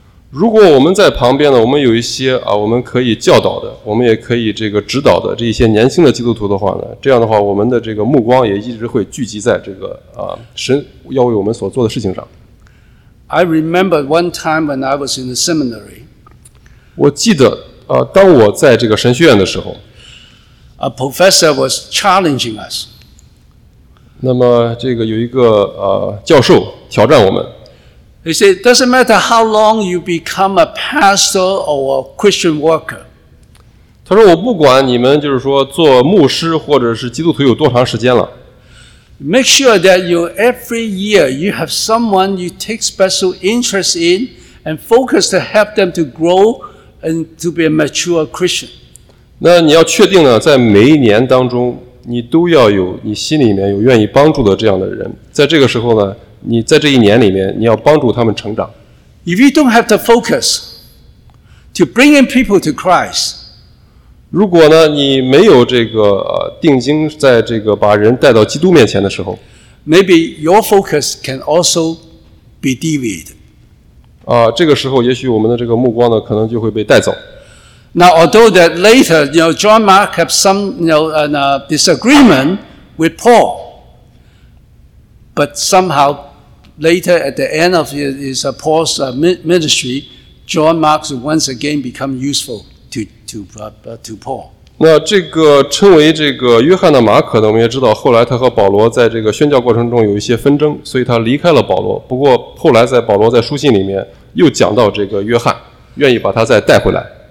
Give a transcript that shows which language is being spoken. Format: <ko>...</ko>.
<zh>如果我们在旁边呢，我们有一些我们可以教导的，我们也可以这个指导的这一些年轻的基督徒的话呢，这样的话，我们的这个目光也一直会聚集在这个神要为我们所做的事情上。</zh> <en>I remember one time when I was in the seminary.</en> <zh>我记得当我在这个神学院的时候</zh> <en>，A professor was challenging us.</en> <zh>那么这个有一个教授挑战我们。</zh> <en>He said, "Doesn't matter how long you become a pastor or a Christian worker."</en> <zh>他说：“我不管你们就是说做牧师或者是基督徒有多长时间了。</zh> <en>Make sure that you every year you have someone you take special interest in and focus to help them to grow and to be a mature Christian."</en> <zh>那你要确定呢，在每一年当中。你都要有你心里面有愿意帮助的这样的人，在这个时候呢，你在这一年里面，你要帮助他们成长。</zh> <en>If you don't have the focus to bring in people to Christ,</en> <zh>如果呢你没有这个定睛在这个把人带到基督面前的时候</zh> <en>，maybe your focus can also be deviated.</en> <zh>这个时候也许我们的这个目光呢，可能就会被带走。</zh> <en>Now, although that later, you know, John Mark had some, you know, a disagreement with Paul, but somehow later at the end of his Paul's ministry, John Mark once again become useful to Paul.</en> <zh>那这个称为这个约翰的马可呢，我们也知道，后来他和保罗在这个宣教过程中有一些纷争，所以他离开了保罗。不过后来在保罗在书信里面又讲到这个约翰，愿意把他再带回来。</zh>